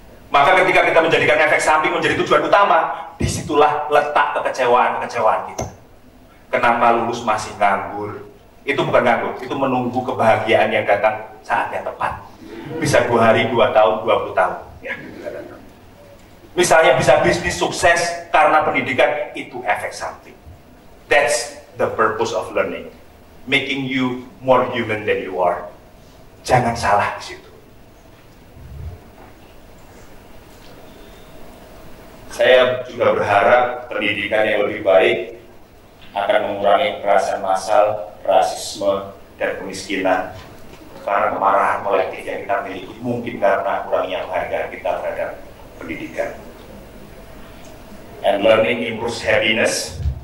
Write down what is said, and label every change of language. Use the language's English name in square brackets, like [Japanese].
[Indonesian] Maka ketika kita menjadikan efek samping menjadi tujuan utama, disitulah letak kekecewaan-kekecewaan kita. Kenapa lulus masih nganggur? Itu bukan nganggur, itu menunggu kebahagiaan yang datang saatnya tepat. Bisa 2 hari, 2 tahun, 20 tahun. Ya. Misalnya bisa bisnis sukses karena pendidikan, itu efek samping. [English] That's the purpose of learning. Making you more human than you are. [Indonesian] Jangan salah di situ. Saya juga berharap pendidikan yang lebih baik akan mengurangi kekerasan massal, rasisme, dan kemiskinan. Karena kemarahan kolektif yang kita miliki mungkin karena kurangnya penghargaan kita terhadap pendidikan. [English] And learning improves happiness.